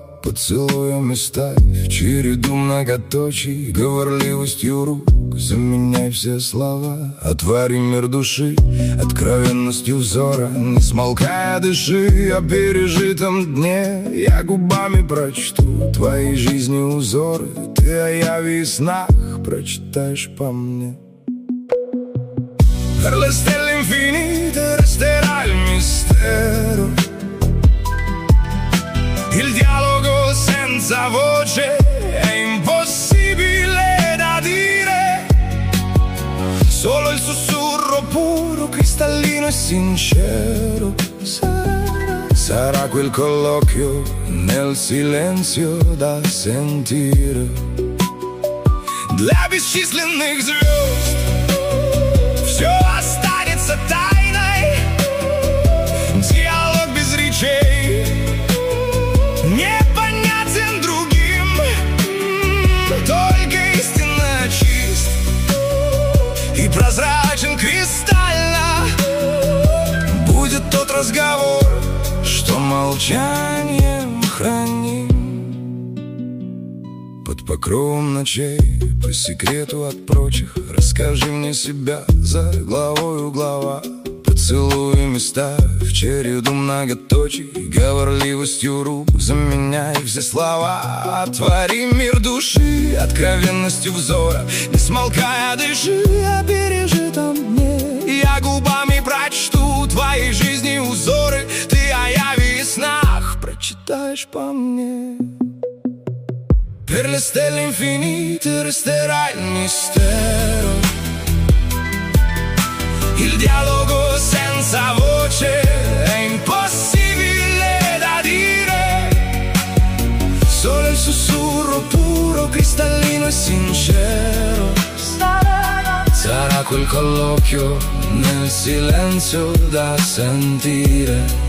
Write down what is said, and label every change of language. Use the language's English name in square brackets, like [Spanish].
[Russian] Поцелую места в череду многоточий, говорливостью рук заменяй все слова. Отвори мир души откровенностью взора, не смолкая дыши о пережитом дне. Я губами прочту твои жизни узоры, ты о яви и снах прочитаешь по мне. [Italian] Per le stelle infinite resterà il mistero, il dialogo senza voce è impossibile da dire, solo il sussurro puro, cristallino e sincero sarà quel colloquio nel silenzio da sentire. [Russian] Для бесчисленных звезд все останется тайной, диалог без речей непонятен другим, только истинно чист и прозрачен кристально будет тот разговор, что молчанием храним. Под покровом ночей, по секрету от прочих, расскажи мне себя за главою глава. Поцелуй места в череду многоточий, говорливостью рук заменяй все слова. Отвори мир души откровенностью взора, не смолкая дыши о пережитом дне. Я губами прочту твои жизни узоры, ты о яви и снах прочитаешь по мне. [Italian] Per le stelle infinite resterà il mistero, il dialogo senza voce è impossibile da dire, solo il sussurro puro, cristallino e sincero sarà quel colloquio nel silenzio da sentire.